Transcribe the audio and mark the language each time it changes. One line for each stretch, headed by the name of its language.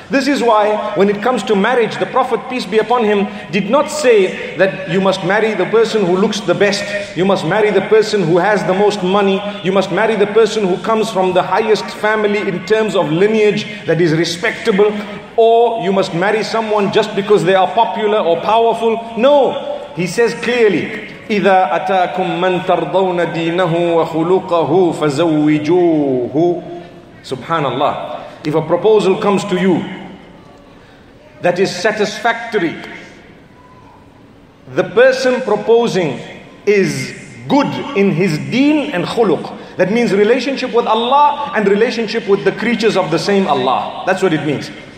English: This is why when it comes to marriage, the Prophet, peace be upon him, did not say that you must marry the person who looks the best. You must marry the person who has the most money. You must marry the person who comes from the highest family in terms of lineage that is respectable. Or you must marry someone just because they are popular or powerful.
Arabic: No, he says clearly, إِذَا أَتَاكُم مَّن تَرْضَوْنَ دِينَهُ وَخُلُقَهُ فَزَوِّجُوهُ. Subhanallah.
English: If a proposal comes to you that is satisfactory, the person proposing is good in his deen and khuluq. That means relationship with Allah and relationship with the creatures of the same Allah. That's what it means.